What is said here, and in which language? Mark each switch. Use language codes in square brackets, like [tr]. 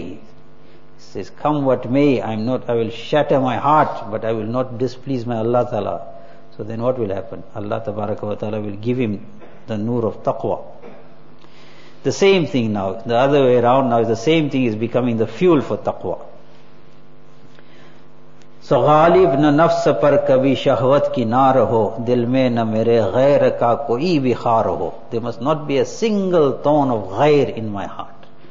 [en] He says, come what may, I will shatter my heart, but I will not displease my Allah Ta'ala. So then what will happen? Allah Tabaraka wa Ta'ala will give him the noor of taqwa. The same thing now, the other way around now, is the same thing is becoming the fuel for taqwa. [ur] So غالب نہ نفس پر کبھی شہوت کی نہ رہو دل میں نہ میرے غیر کا کوئی بھی خار ہو. [en] There must not be a single tone of غیر in my heart.